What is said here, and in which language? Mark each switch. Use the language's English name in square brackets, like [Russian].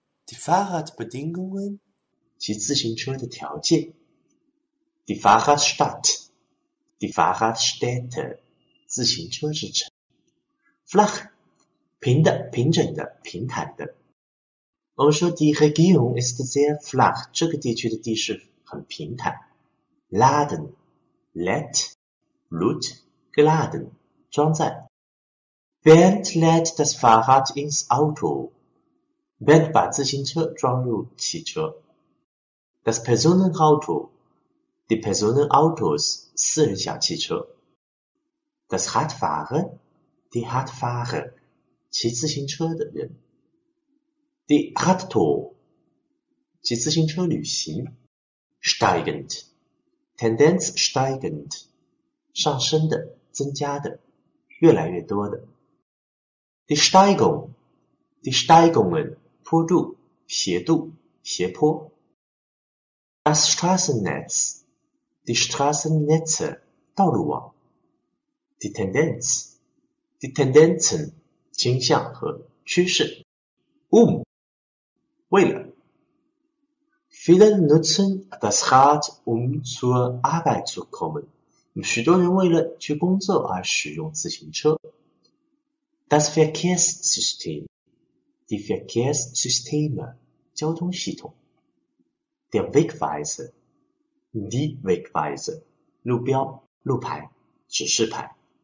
[German] Die Fahrradbedingungen, [Chinese] 骑自行车的条件。 [German] Die Fahrradstätte, [Chinese] 自行车之城。 Flach, 平的、平整的、平坦的。我们说 [German] Die Region ist sehr flach, [Chinese] 这个地区的地势很平坦。 [German] Laden, lädt, lud, geladen, [Chinese] 装载。 [German] Bernd lädt das Fahrrad ins Auto, Bernd [Chinese] 把自行车装入汽车。 [German] Das Personenauto, die Personenautos, [Chinese] 私人小汽车。 [German] Das Radfahren, die hat Fahrer, [Chinese] 骑自行车的人。 [German] Die hat Tour, [Chinese] 骑自行车旅行。 [German] Steigend, Tendenz steigend, [Chinese] 上升的，增加的，越来越多的。 [German] Die Steigungen, [Chinese] 坡度，斜度，斜坡。 [German] Das Straßennetz, die Straßennetze, [Chinese] 道路网。 [German] Die Tendenz, die Tendenzen, [Chinese] 倾向和趋势。为了。 [German] Viele nutzen das Rad, um zur Arbeit zu kommen. [Chinese] 许多人为了去工作而使用自行车。 [German] Das Verkehrssystem, die Verkehrssysteme, [Chinese] 交通系统。 [German] Der Wegweiser, die Wegweiser, [Chinese] 路标、路牌、指示牌。